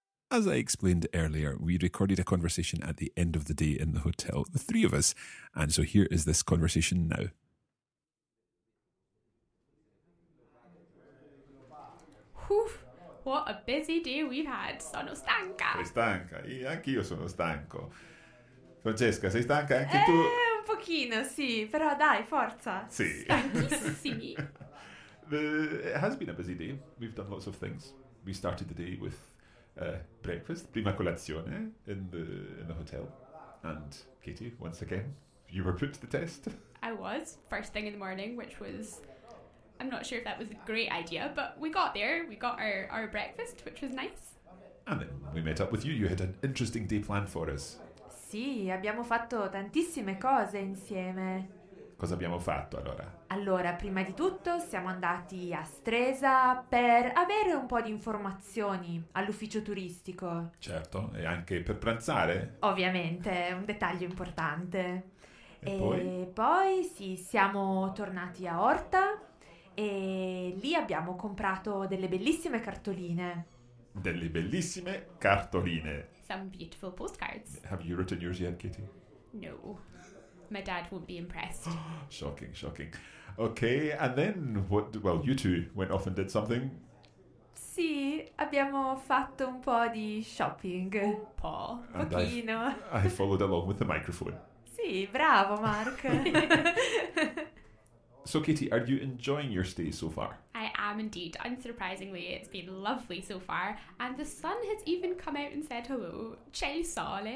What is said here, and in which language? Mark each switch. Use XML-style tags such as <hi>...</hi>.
<en>As I explained earlier, we recorded a conversation at the end of the day in the hotel, the three of us, and so here is this conversation now. Whew, what a busy day we've had.</en> <it>Sono stanca. Sei stanca? E anch'io sono stanco. Francesca, sei stanca anche tu? Un pochino, sì, però dai, forza. Sì. Stanchissimi.</it> <en>It has been a busy day. We've done lots of things. We started the day with breakfast,</en> <it>prima colazione</it> <en>in the hotel, and Katie, once again, you were put to the test. I was, first thing in the morning, which was, I'm not sure if that was a great idea, but we got there, we got our breakfast, which was nice. And then we met up with you, you had an interesting day planned for us.</en> <it>Sì, abbiamo fatto tantissime cose insieme. Cosa abbiamo fatto allora? Allora, prima di tutto siamo andati a Stresa per avere un po' di informazioni all'ufficio turistico. Certo, e anche per pranzare? Ovviamente, è un dettaglio importante. E poi sì, siamo tornati a Orta e lì abbiamo comprato delle bellissime cartoline. Delle bellissime cartoline.</it> <en>Some beautiful postcards. Have you written yours yet, Kitty? No. My dad won't be impressed. Shocking, shocking. Okay, and then what? Well, you two went off and did something.</en> <it>Sì, abbiamo fatto un po' di shopping. Un po', pochino.</it> <en>I followed along with the microphone.</en> <it>Sì, bravo, Mark.</it> <en>So, Katie, are you enjoying your stay so far? I am indeed. Unsurprisingly, it's been lovely so far. And the sun has even come out and said hello.</en> <it>C'è il sole.</it>